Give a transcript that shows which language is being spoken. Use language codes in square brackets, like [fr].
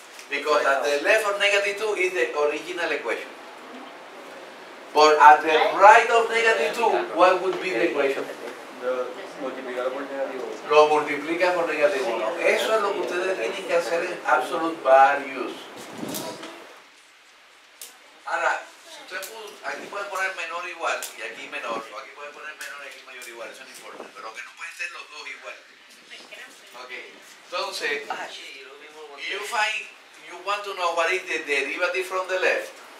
[en] Because at the left of negative 2 is the original equation. But at the right of negative 2, what would be the equation? [es] Multiplicarlo por negativo. Lo multiplica por negativo. Eso es lo que ustedes tienen que hacer en absolute values. Ahora, si usted puso, aquí puede poner menor igual y aquí menor, o aquí puede poner menor y aquí mayor igual, eso no importa, pero que no pueden ser los dos igual. [en] Ok, entonces, you find, you want to know what is the derivative from the left.